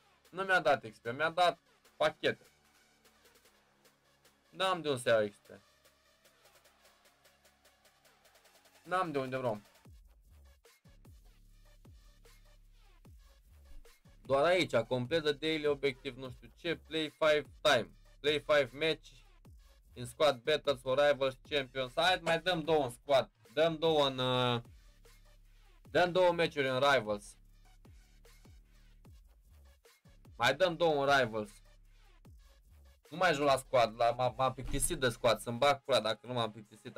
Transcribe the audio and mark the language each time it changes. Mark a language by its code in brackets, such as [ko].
[ro] Nu mi-a dat XP, mi-a dat pachete. N-am de unde să iau XP. N-am de unde rom. Doar aici, completă [en] daily objective, [ro] nu știu ce, [en] play 5 time. Play 5 match in squad battles for rivals champions. [ro] Hai, mai dăm două în squad. Dăm două în dăm două meciuri în rivals. Mai dăm două în rivals. Nu mai joc la squad, la m-am plictisit de squad, să-mi bag pula dacă nu m-am plictisit.